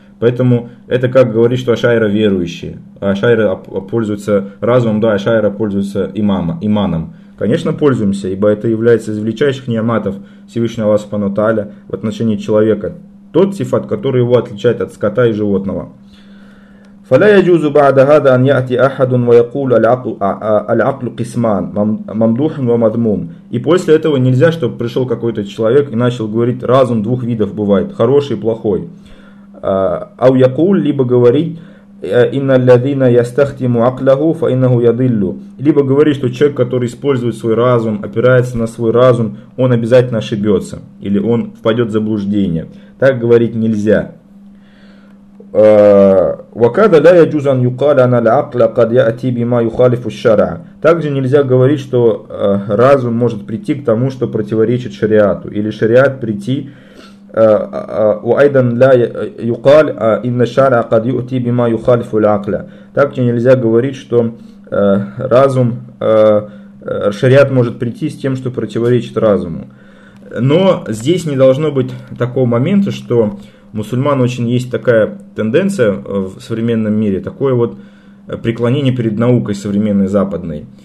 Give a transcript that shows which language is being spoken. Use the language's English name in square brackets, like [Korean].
[Russian] Поэтому это как говорить, что ашайра верующие, ашайра пользуются разумом, да, ашайра пользуются иманом. Конечно, пользуемся, ибо это является из величайших ниаматов Всевышнего Аллаха Субхану Тааля в отношении человека. тот сифат, который его отличает от скота и животного. [Arabic] فلا يجوز بعد هذا أن يأتي أحد ويقول العقل قسمان ممدوح ومذموم. [Russian] И после этого нельзя, чтобы пришел какой-то человек и начал говорить, разум двух видов бывает, хороший и плохой. [Arabic] أو يقول, [Russian] либо говорить, [Arabic] إن الذين يستخدم عقله فإنه يضل. [Russian] Либо говорить, что человек, который использует свой разум, опирается на свой разум, он обязательно ошибется или он впадет в заблуждение. Так говорить нельзя. [Arabic] وكذا لا يجوز أن يقال أن العقل قد يأتي بما يخالف الشرع. [Russian] Также нельзя говорить, что разум может прийти к тому, что противоречит шариату, или шариат прийти. [Arabic] وأيضا لا يقال إن الشرع قد يأتي بما يخالف العقل. [Russian] Также нельзя говорить, что разум, шариат может прийти с тем, что противоречит разуму. Но здесь не должно быть такого момента, что мусульман очень есть такая тенденция в современном мире, такое вот преклонение перед наукой современной западной.